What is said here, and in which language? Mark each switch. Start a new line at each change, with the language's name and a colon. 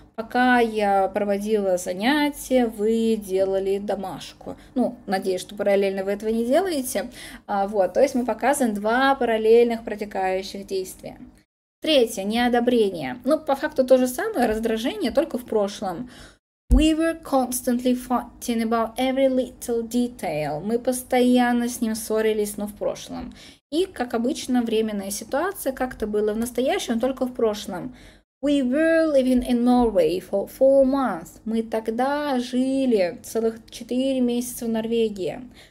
Russian: Пока я проводила занятия, вы делали домашку. Ну, надеюсь, что параллельно вы этого не делаете. Вот, то есть мы показываем два параллельных протекающих действия. Третье, неодобрение. Ну, по факту то же самое, раздражение, только в прошлом.
English: We were constantly fighting about every little detail.
Russian: Мы постоянно с ним ссорились, но в прошлом. И, как обычно, временная ситуация, как-то было в настоящем, только в прошлом.
English: We were living in Norway for 4 months.
Russian: Мы тогда жили целых 4 месяца в Норвегии.